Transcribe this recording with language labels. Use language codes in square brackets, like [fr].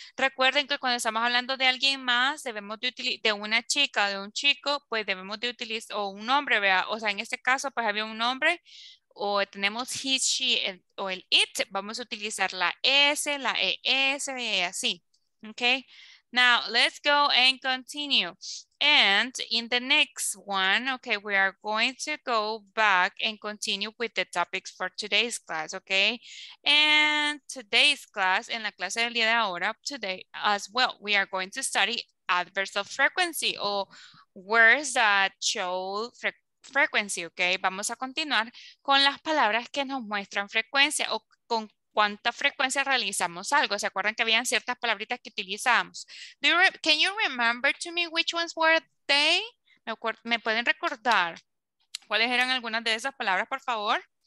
[es] Recuerden que cuando estamos hablando de alguien más, debemos de utilizar de una chica, de un chico, pues debemos de utilizar o un nombre, vea. O sea, en este caso, pues había un nombre o tenemos he, she, el, o el it. Vamos a utilizar la s, la es, así. [en] Okay. Now let's go and continue. And in the next one, okay, we are going to go back and continue with the topics for today's class, okay? And today's class, [es] en la clase del día de ahora, [en] today as well, we are going to study adverbs of frequency or words that show frequency, okay? [es] Vamos a continuar con las palabras que nos muestran frecuencia o con cuánta frecuencia realizamos algo. ¿Se acuerdan que habían ciertas palabritas que utilizábamos? [en] Can you remember to me which ones were they? [es] ¿Me pueden recordar cuáles eran algunas de esas palabras, por favor?